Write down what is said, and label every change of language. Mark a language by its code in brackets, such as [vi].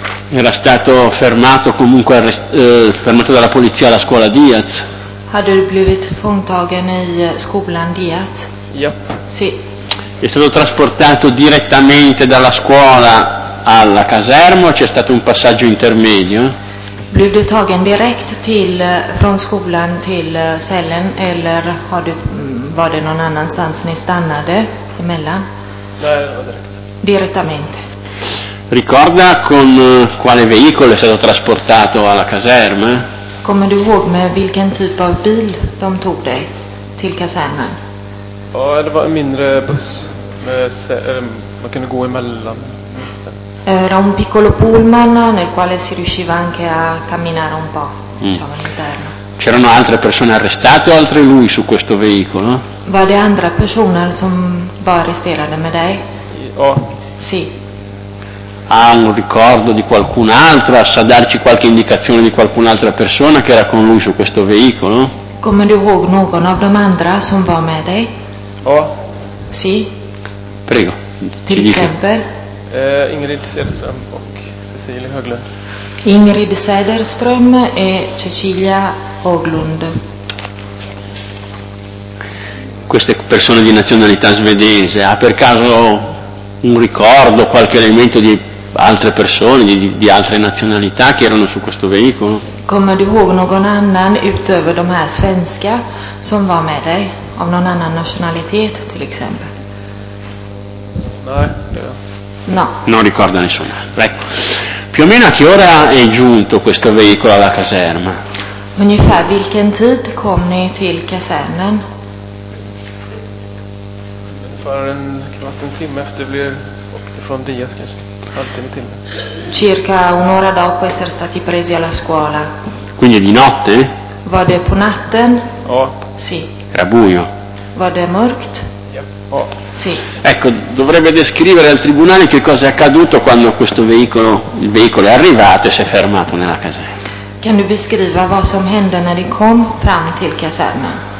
[it] Era stato fermato, comunque fermato dalla polizia alla scuola Diaz. [sv] Hade du blivit fångtagen i skolan Diaz? Ja. [it] Sì. È stato trasportato direttamente dalla scuola alla caserma o c'è stato un passaggio intermedio? [sv] Blev du tagen direkt till från skolan till cellen eller har du, var det någon annanstans ni stannade emellan? Nej, direkt. [it] Direttamente. Ricorda con quale veicolo è stato trasportato alla caserma? [sv] Kommer du ihåg med vilken typ av bil de tog dig till kasernen? Ja, det var en mindre buss med man kunde gå emellan. [it] Era un piccolo pullman nel quale si riusciva anche a camminare un po', diciamo, all'interno. C'erano altre persone arrestate o altre lui su questo veicolo? [sv] Var det andra personer som var arresterade med dig? Oh. [it] Sì. Ha un ricordo di qualcun altro? Sa darci qualche indicazione di qualcun'altra persona che era con lui su questo veicolo? [sv] Come du ihåg någon av de andra som var med dig? Oh. [it] Sì. Prego. [sv] Till exempel? Ingrid Sederström och Cecilia Höglund. [it] Ingrid Sederström e Cecilia Höglund. Queste persone di nazionalità svedese, ha per caso un ricordo, qualche elemento di altre persone di altre nazionalità che erano su questo veicolo? [sv] Kommer du ihåg någon annan utöver de här svenska som var med dig av någon annan nationalitet till exempel? Nej. [it] No. Non ricorda nessuno. Ecco. Più o meno a che ora è giunto questo veicolo alla caserma? [sv] Ungefär vilken tid kom ni till kasernen? Ungefär en kvart, en timme efter vi åkte från Diaz kanske. Halvtimme, timme. [it] Circa un'ora dopo essere stati presi alla scuola. Quindi di notte? [sv] Var det på natten? Ja. [it] Sì. Era buio. [sv] Var det mörkt? Ja. famiglia. Oh. [it] Sì. Ecco, dovrebbe descrivere al tribunale che cosa è accaduto quando questo veicolo, il veicolo è arrivato e si è fermato nella caserma. [sv] Kan du beskriva vad som hände när du kom fram till kasernen?